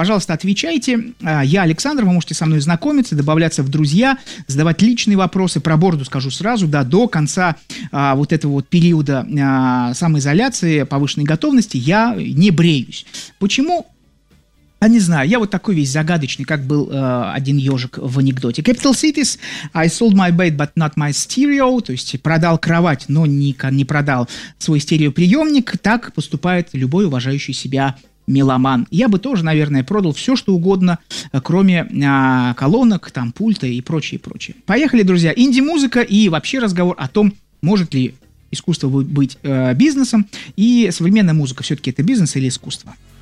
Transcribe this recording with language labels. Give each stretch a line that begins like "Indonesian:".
Russian: Пожалуйста, отвечайте. Я Александр, вы можете со мной знакомиться, добавляться в друзья, задавать личные вопросы. Про бороду скажу сразу, да, до конца вот этого вот периода самоизоляции, повышенной готовности я не бреюсь. Почему? А не знаю, я вот такой весь загадочный, как был один ежик в анекдоте.
English: Capital Cities, I sold my bed, but not my stereo,
Russian: то есть продал кровать, но не продал свой стереоприемник. Так поступает любой уважающий себя меломан. Я бы тоже, наверное, продал все, что угодно, кроме колонок, там, пульта и прочее, прочее. Поехали, друзья, инди-музыка и вообще разговор о том, может ли искусство быть бизнесом, и современная музыка все-таки это бизнес или искусство.